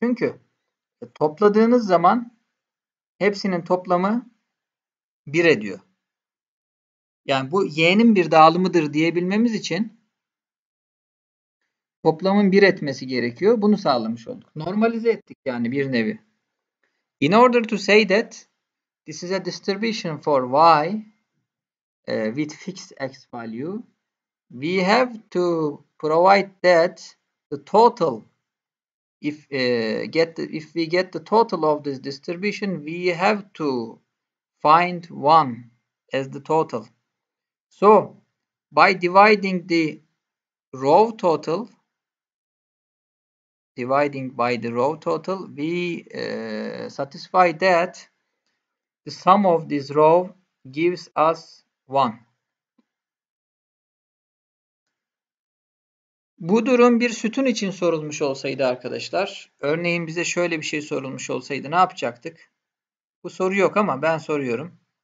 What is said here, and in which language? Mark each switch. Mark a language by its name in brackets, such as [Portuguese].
[Turkish] Çünkü topladığınız zaman hepsinin toplamı 1 ediyor. Yani bu y'nin bir dağılımıdır diyebilmemiz için toplamın 1 etmesi gerekiyor. Bunu sağlamış olduk. Normalize ettik yani bir nevi. [English] In order to say that this is a distribution for y with fixed x value, we have to provide that the total, if we get the total of this distribution, we have to find 1 as the total. So by dividing the row total, dividing by the row total, we satisfy that the sum of this row gives us 1. [Turkish] Bu durum bir sütun için sorulmuş olsaydı arkadaşlar, örneğin bize şöyle bir şey sorulmuş olsaydı ne yapacaktık? Bu soru yok ama ben soruyorum.